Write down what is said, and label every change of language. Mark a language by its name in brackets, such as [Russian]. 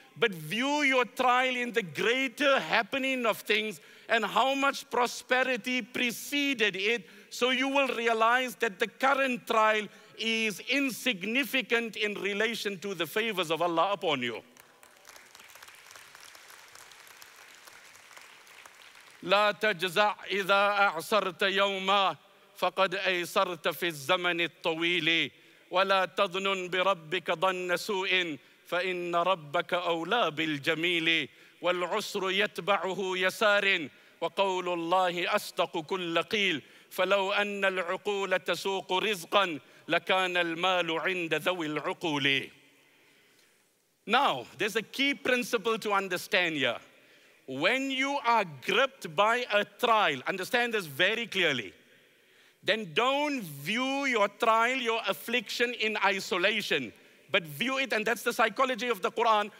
[English] But view your trial in the greater happening of things and how much prosperity preceded it, so you will realize that the current trial is insignificant in relation to the favors of Allah upon you. [Arabic] لا تجزع إذا أعصرت يوما فقد أيسرت في الزمن الطويل ولا تظن بربك ظن سوء فإن ربك أولى بالجميل والعسر يتبعه يسار وقول الله أصدق كل قيل فلو أن العقول تسوق رزقا لكان المال عند ذوي العقول. [English] Now, there's a key principle to understand here. When you are gripped by a trial, understand this very clearly, then don't view your trial, your affliction in isolation, but view it, and that's the psychology of the Quran.